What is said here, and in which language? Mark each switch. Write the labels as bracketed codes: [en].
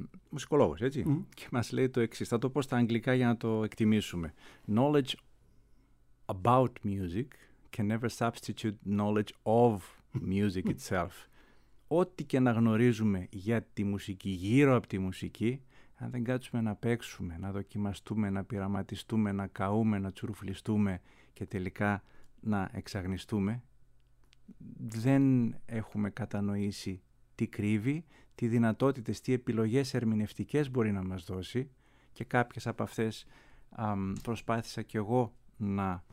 [el] Μουσικολόγος, έτσι. Mm. Και μας λέει το εξής, θα το πω στα αγγλικά για να το εκτιμήσουμε. [en] Knowledge about music can never substitute knowledge of music itself. [el] Ό,τι και να γνωρίζουμε για τη μουσική, γύρω από τη μουσική, αν δεν κάτσουμε να παίξουμε, να δοκιμαστούμε, να πειραματιστούμε, να καούμε, να τσουρουφλιστούμε και τελικά να εξαγνιστούμε, δεν έχουμε κατανοήσει τι κρύβει, τι δυνατότητες, τι επιλογές ερμηνευτικές μπορεί να μας δώσει, και κάποιες από αυτές προσπάθησα κι εγώ να